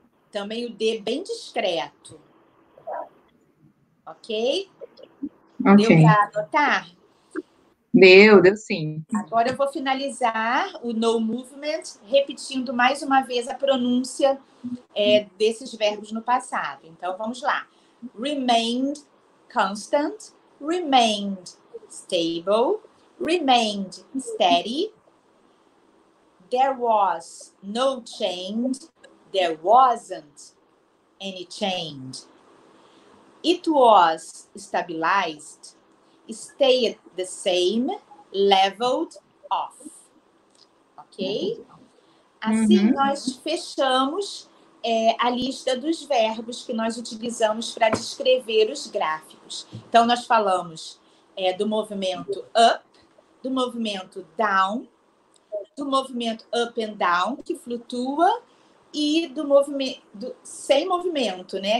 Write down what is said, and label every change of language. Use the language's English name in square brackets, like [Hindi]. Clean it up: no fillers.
[Portuguese] Também o D bem discreto. Ok? Okay. Deu para anotar? Deu sim. Agora eu vou finalizar o no movement, repetindo mais uma vez a pronúncia desses verbos no passado. Então, vamos lá. [English] Remained constant, remained stable, remained steady, there was no change, there wasn't any change. It was stabilized, stayed the same, leveled off. Ok? [Portuguese] Assim nós fechamos a lista dos verbos que nós utilizamos para descrever os gráficos. Então, nós falamos do movimento up, do movimento down, do movimento up and down, que flutua, e do movimento sem movimento, né?